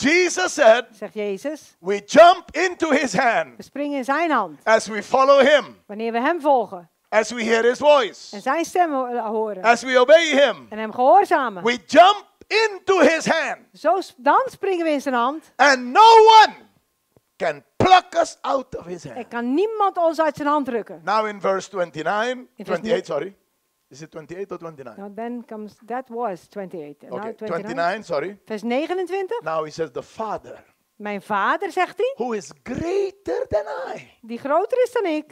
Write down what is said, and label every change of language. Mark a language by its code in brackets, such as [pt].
[en] Jesus said. [nl] Zegt Jezus. [en] We jump into his hand. [nl] We springen in zijn hand. [en] As we follow him. [nl] Wanneer we hem volgen. [en] As we hear his voice. [nl] En zijn stem horen. [en] As we obey him. [nl] En hem gehoorzamen. [en] We jump into his hand. [nl] Zo dan springen we in zijn hand. [en] And no one can pluck us out of his hand. [nl] Er kan niemand ons uit zijn hand rukken. [en] Now in verse 29. 28, sorry. Is it 28 or 29? Now then comes, that was 28. Okay, 29, sorry. [nl] Vers 29. [en] Now he says the Father. [nl] Mijn vader, zegt hij. [en] Who is greater than I. [nl] Die groter is dan ik.